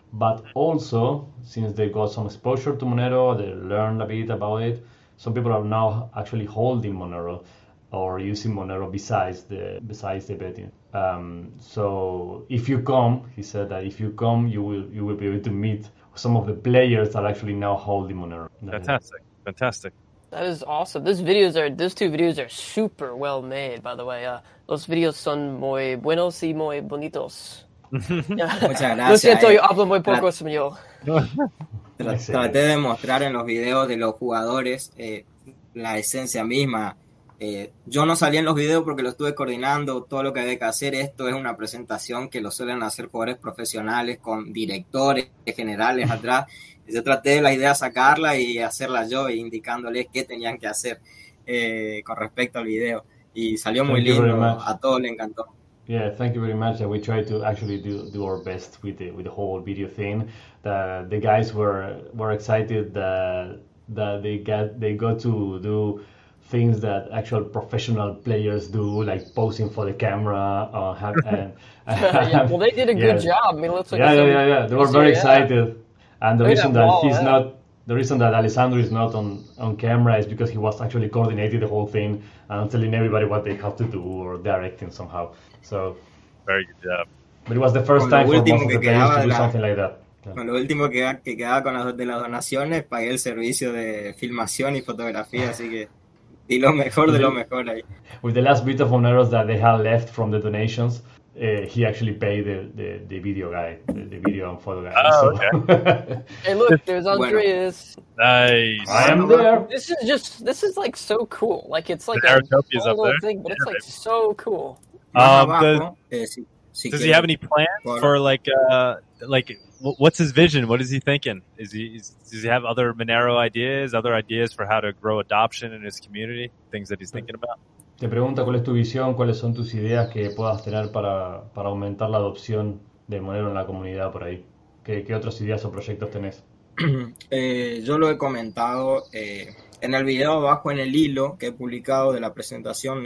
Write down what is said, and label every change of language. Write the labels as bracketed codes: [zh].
[en] But also, since they got some exposure to Monero, they learned a bit about it, some people are now actually holding Monero or using Monero besides the betting. So if you come, he said that if you come, you will be able to meet some of the players that are actually now holding Monero. Fantastic. That is awesome. Those two videos are super well made, by the way. [es] Los videos son muy buenos y muy bonitos. Muchas gracias. Lo siento, yo hablo muy poco español. Traté de mostrar en los videos de los jugadores la esencia misma. Yo no salí en los videos porque lo estuve coordinando, todo lo que había que hacer. Esto es una presentación que lo suelen hacer jugadores profesionales con directores generales atrás. Yo traté de la idea sacarla y hacerla yo, e indicándoles qué tenían que hacer con respecto al video. Y salió muy lindo, a todos le encantó. [en] Yeah, thank you very much. We tried to actually do our best with the whole video thing. The guys were excited that they got to do things that actual professional players do, like posing for the camera. Well, they did a good job. I mean, looks like They were very excited. And the reason that Alessandro is not on camera is because he was actually coordinating the whole thing and telling everybody what they have to do or directing somehow. So, very good job. But it was the first time for most of the players to do something like that. Yeah. [es] Con lo último que quedaba con las donaciones, pagué el servicio de filmación y fotografía, así que di lo mejor de lo mejor ahí. [en] With the last bit of Monero that they had left from the donations, he actually paid the video guy, the video and photo guy. Oh, so. Okay. Hey, look, there's Andreas. Nice. I am there. This is like so cool. Like, it's like the a little up there. Thing, but it's like so cool. Does he have any plans for what's his vision? What is he thinking? Does he have other Monero ideas? Other ideas for how to grow adoption in his community? Things that he's thinking about. [es] Te pregunta cuál es tu visión, cuáles son tus ideas que puedas tener para aumentar la adopción de Monero en la comunidad por ahí. ¿Qué otras ideas o proyectos tenés? Yo lo he comentado en el video abajo, en el hilo que he publicado de la presentación.